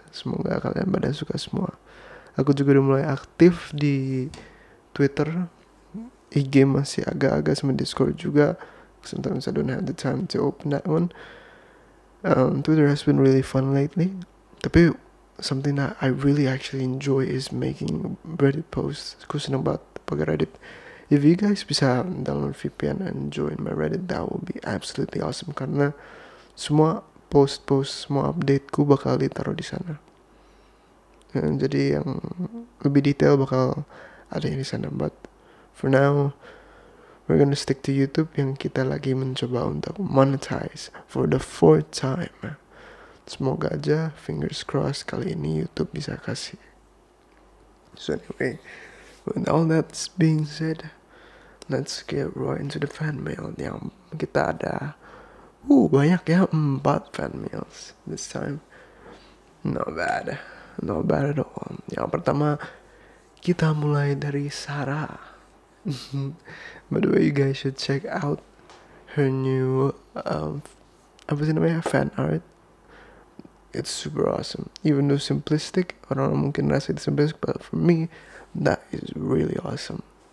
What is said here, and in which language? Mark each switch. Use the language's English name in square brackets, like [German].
[Indonesian] Semoga kalian pada suka semua. Aku juga udah mulai aktif di Twitter, IG masih agak-agak, sama Discord juga. [English] Sometimes I don't have the time to open that one. Twitter has been really fun lately. Tapi something that I really actually enjoy is making Reddit posts. [Indonesian] Aku seneng banget pakai Reddit. [English] If you guys [Indonesian] bisa [English] download VPN and join my Reddit, that would be absolutely awesome. [Indonesian] Karena semua post-post, semua update-ku bakal ditaruh di sana. Jadi yang lebih detail bakal ada di sana. [English] But for now, we're gonna stick to YouTube [Indonesian] yang kita lagi mencoba untuk [English] monetize for the fourth time. [Indonesian] Semoga aja, [English] fingers crossed, [Indonesian] kali ini YouTube bisa kasih. [English] So anyway, with all that's being said, let's get right into the fan mail. [Indonesian] Yang kita ada, banyak ya, 4 fan mails this time. [English] Not bad at all. [Indonesian] Yang pertama, kita mulai dari Sarah. [English] By the way, you guys should check out her new, [Indonesian] apa sih namanya, [English] fan art. It's super awesome. Even though simplistic, [Indonesian] orang-orang mungkin rasa itu [English] simplistic, but for me, that is really awesome.